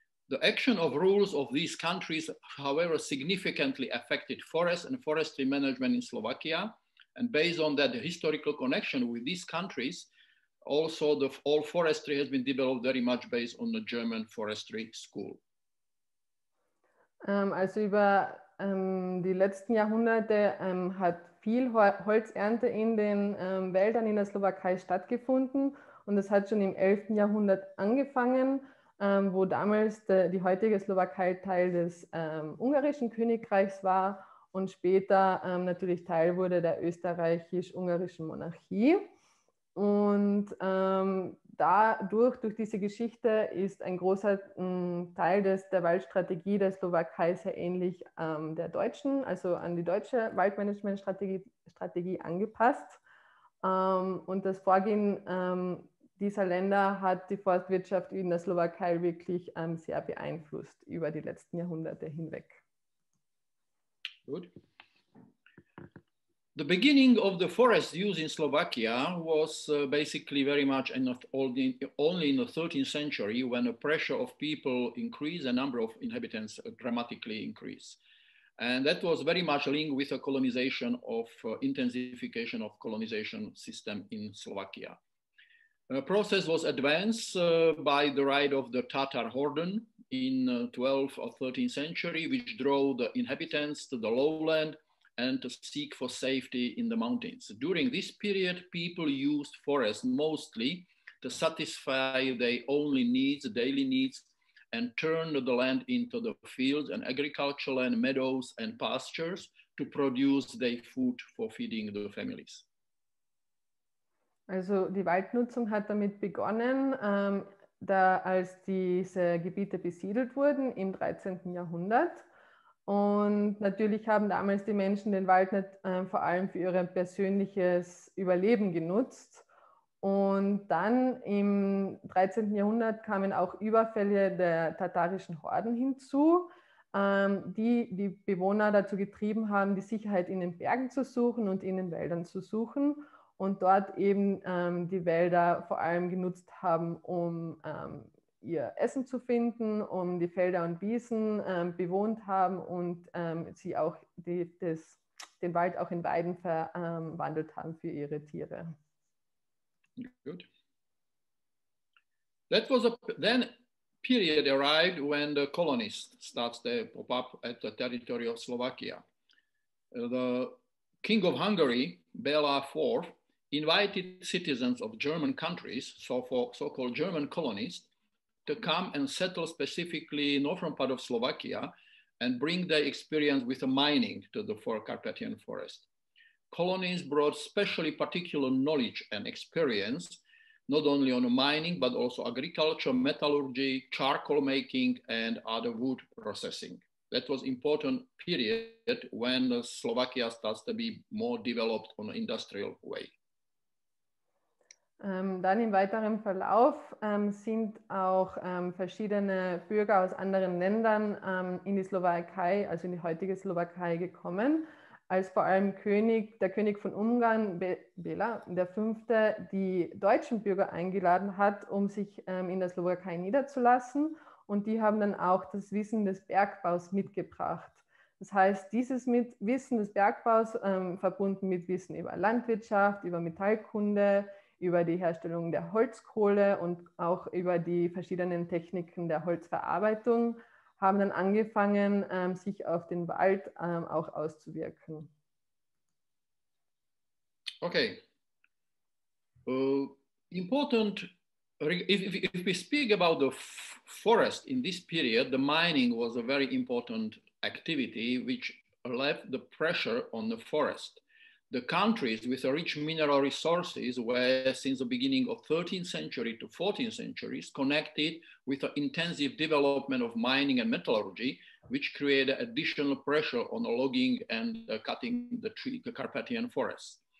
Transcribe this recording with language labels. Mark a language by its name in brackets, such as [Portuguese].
[English] The action of rules of these countries, however, significantly affected forest and forestry management in Slovakia. And based on that historical connection with these countries, also the all forestry has been developed very much based on the German forestry school. [German] Also über die letzten Jahrhunderte hat viel Holzernte in den Wäldern in der Slowakei stattgefunden. Und das hat schon im 11. Jahrhundert angefangen, wo damals die heutige Slowakei Teil des ungarischen Königreichs war und später natürlich Teil wurde der österreichisch-ungarischen Monarchie. Und dadurch, durch diese Geschichte, ist ein großer Teil der Waldstrategie der Slowakei sehr ähnlich der deutschen, also an die deutsche Waldmanagementstrategie angepasst. Und das Vorgehen dieser Länder hat die Forstwirtschaft in der Slowakei wirklich sehr beeinflusst über die letzten Jahrhunderte hinweg. Gut. [English] The beginning of the forest use in Slovakia was basically very much only in the 13th century, when the pressure of people increased, the number of inhabitants dramatically increased. And that was very much linked with the colonization of intensification of colonization system in Slovakia. The process was advanced by the right of the Tatar Horden in 12th or 13th century, which drove the inhabitants to the lowland and to seek for safety in the mountains. During this period, people used forests mostly to satisfy their only needs, daily needs, and turned the land into the fields and agricultural and meadows and pastures to produce their food for feeding the families. [German] Also die Waldnutzung hat damit begonnen, da als diese Gebiete besiedelt wurden im 13. Jahrhundert. Und natürlich haben damals die Menschen den Wald nicht vor allem für ihr persönliches Überleben genutzt. Und dann im 13. Jahrhundert kamen auch Überfälle der tatarischen Horden hinzu, die Bewohner dazu getrieben haben, die Sicherheit in den Bergen zu suchen und in den Wäldern zu suchen und dort eben die Wälder vor allem genutzt haben, um ihr Essen zu finden, um die Felder und Wiesen bewohnt haben und sie auch den Wald auch in Weiden verwandelt haben für ihre Tiere. [English] Good. That was then period arrived when the colonists start to pop up at the territory of Slovakia. The King of Hungary, Bela IV, invited citizens of German countries, so-called German colonists, to come and settle specifically in northern part of Slovakia and bring their experience with the mining to the Carpathian Forest. Colonies brought specially particular knowledge and experience, not only on mining, but also agriculture, metallurgy, charcoal making, and other wood processing. That was important period when Slovakia starts to be more developed on an industrial way. [German] Dann im weiteren Verlauf sind auch verschiedene Bürger aus anderen Ländern in die Slowakei, also in die heutige Slowakei gekommen, als vor allem der König von Ungarn, Bela V, die deutschen Bürger eingeladen hat, um sich in der Slowakei niederzulassen. Und die haben dann auch das Wissen des Bergbaus mitgebracht. Das heißt, dieses Wissen des Bergbaus verbunden mit Wissen über Landwirtschaft, über Metallkunde, über die Herstellung der Holzkohle und auch über die verschiedenen Techniken der Holzverarbeitung, haben dann angefangen, sich auf den Wald auch auszuwirken. [English] Okay. Important, if we speak about the forest in this period, the mining was a very important activity, which left the pressure on the forest. The countries with rich mineral resources were, since the beginning of 13th century to 14th centuries, connected with the intensive development of mining and metallurgy, which created additional pressure on the logging and cutting the Carpathian forests.